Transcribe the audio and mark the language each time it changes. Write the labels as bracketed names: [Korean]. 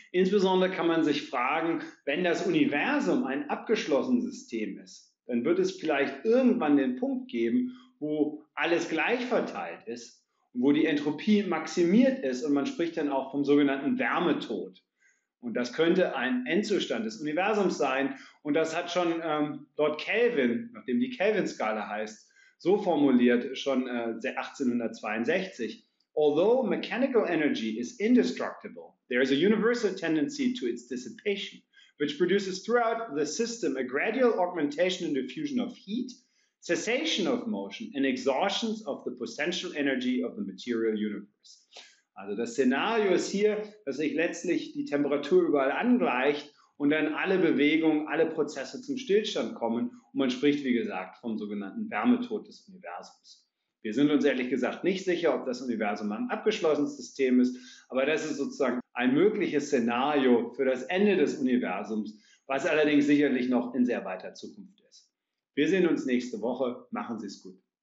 [German] Insbesondere kann man sich fragen, wenn das Universum ein abgeschlossenes System ist, dann wird es vielleicht irgendwann den Punkt geben, wo alles gleich verteilt ist, wo die Entropie maximiert ist und man spricht dann auch vom sogenannten Wärmetod. Und das könnte ein Endzustand des Universums sein. Und das hat schon Lord Kelvin, nachdem die Kelvin-Skala heißt, so formuliert, schon 1862. [English] Although mechanical energy is indestructible, there is a universal tendency to its dissipation, which produces throughout the system a gradual augmentation and diffusion of heat, cessation of motion and exhaustions of the potential energy of the material universe. [German] Also das Szenario ist hier, dass sich letztlich die Temperatur überall angleicht und dann alle Bewegungen, alle Prozesse zum Stillstand kommen und man spricht, wie gesagt, vom sogenannten Wärmetod des Universums. Wir sind uns ehrlich gesagt nicht sicher, ob das Universum ein abgeschlossenes System ist, aber das ist sozusagen ein mögliches Szenario für das Ende des Universums, was allerdings sicherlich noch in sehr weiter Zukunft ist. Wir sehen uns nächste Woche. Machen Sie es gut.